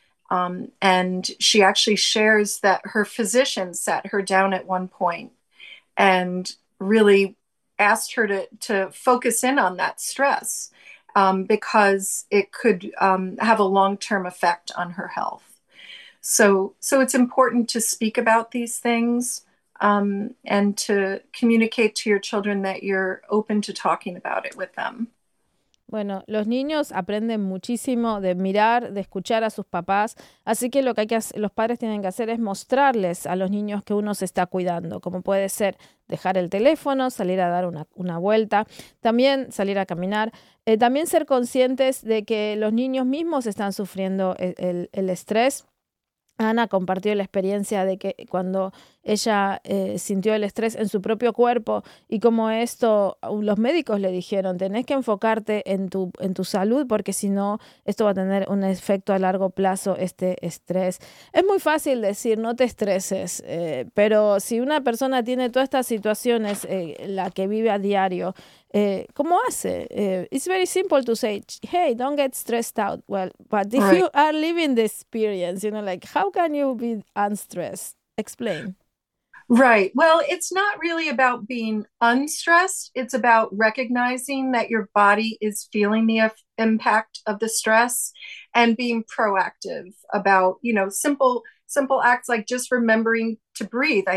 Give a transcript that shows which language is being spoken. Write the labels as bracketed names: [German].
[English] And she actually shares that her physician sat her down at one point and really asked her to focus in on that stress because it could have a long-term effect on her health. So it's important to speak about these things and to communicate to your children that you're open to talking about it with them. [Spanish] Bueno, los niños aprenden muchísimo de mirar, de escuchar a sus papás, así que lo que hay que hacer, los padres tienen que hacer es mostrarles a los niños que uno se está cuidando, como puede ser dejar el teléfono, salir a dar una vuelta, también salir a caminar, también ser conscientes de que los niños mismos están sufriendo el estrés. Ana compartió la experiencia de que cuando ella sintió el estrés en su propio cuerpo y como esto los médicos le dijeron, tenés que enfocarte en tu salud porque si no esto va a tener un efecto a largo plazo, este estrés. Es muy fácil decir no te estreses, pero si una persona tiene todas estas situaciones, la que vive a diario, ¿cómo hace? [English] It's very simple to say, hey, don't get stressed out. Well, but if you are living the experience, you know, like, how can you be unstressed? Explain. Right. Well, it's not really about being unstressed. It's about recognizing that your body is feeling the impact of the stress and being proactive about, you know, simple acts like just remembering to breathe.